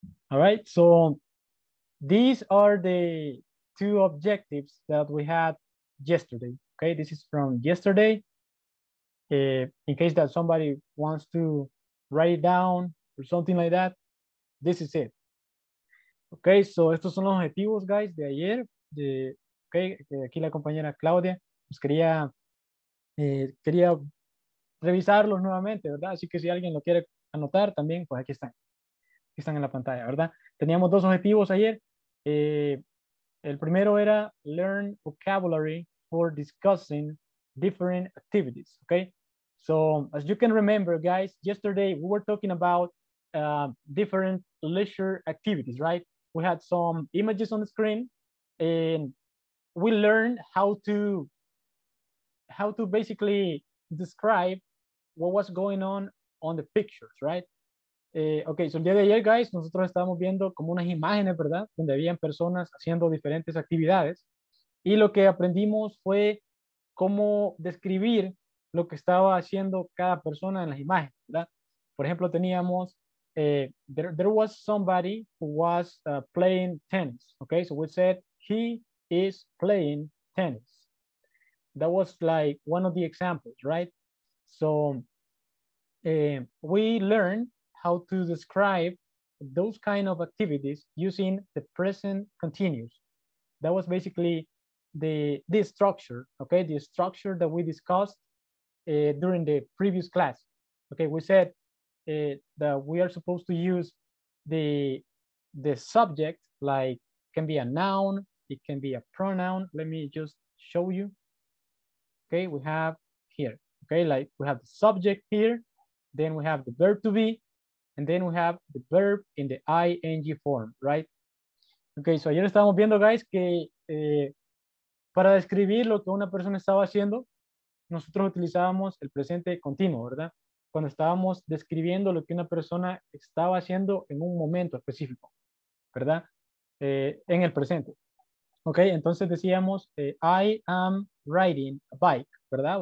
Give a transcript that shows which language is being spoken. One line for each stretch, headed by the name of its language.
English: All right, so these are the two objectives that we had yesterday. Okay, this is from yesterday. In case that somebody wants to write it down or something like that, this is it.
Spanish: Okay, so estos son los objetivos, guys, de ayer. Aquí la compañera Claudia pues quería revisarlos nuevamente, ¿verdad? Así que si alguien lo quiere anotar también, pues aquí están. Están en la pantalla, ¿verdad? Teníamos dos objetivos ayer. El primero era
English: learn vocabulary for discussing different activities,
Spanish: okay?
English: So, as you can remember, guys, yesterday we were talking about different leisure activities, right? We had some images on the screen, and we learned how to basically describe what was going on the pictures, right?
Spanish: Okay, so el día de ayer, guys, nosotros estábamos viendo como unas imágenes, ¿verdad? Donde habían personas haciendo diferentes actividades. Y lo que aprendimos fue cómo describir lo que estaba haciendo cada persona en las imágenes, ¿verdad? Por ejemplo, teníamos,
English: there was somebody who was playing tennis, okay? So we said, he is playing tennis. That was like one of the examples, right? So we learned how to describe those kind of activities using the present continuous. That was basically the structure, okay? The structure that we discussed during the previous class. Okay, we said that we are supposed to use the subject, like can be a noun, it can be a pronoun. Let me just show you. Okay, we have here, okay? Like we have the subject here, then we have the verb to be, and then we have the verb in the ing form, right?
Spanish: Okay, so ayer estábamos viendo, guys, que para describir lo que una persona estaba haciendo, nosotros utilizábamos el presente continuo, ¿verdad? Cuando estábamos describiendo lo que una persona estaba haciendo en un momento específico, ¿verdad? En el presente. Okay, entonces decíamos,
English: I am riding a bike,
Spanish: ¿verdad?